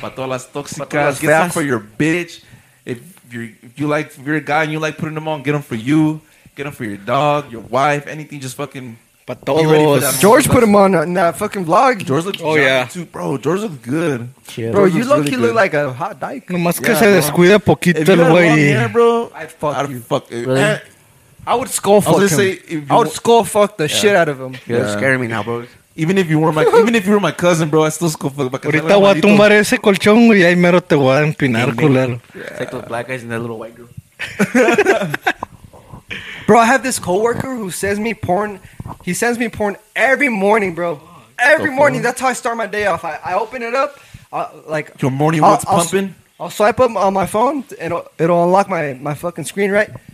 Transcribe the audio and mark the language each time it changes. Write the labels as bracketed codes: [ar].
[es] Pa' todas las toxicas. [en] Get them for your bitch. If you're a guy and you like putting them on, get them for you. Get them for your dog, your wife, anything. Just fucking... George put him on in that fucking vlog. George looks good too, bro. George looks good. Yeah. Bro, you look—he really look like a hot dyke. [es] No más que se descuida poquito el güey. [en] Bro, I would skull fuck him. I would skull fuck the shit out of him. You're scaring me now, bro. Even if you were my cousin, bro, I still skull fuck. [es] Ahorita voy a tumbar ese colchón y ahí mero te voy a empinar culero. [en] It's like those black guys and that little white girl. Bro, I have this coworker who sends me porn. He sends me porn every morning, bro. Every morning. That's how I start my day off. I open it up. Like your morning, what's pumping? I'll swipe up on my phone. It'll unlock my fucking screen, right?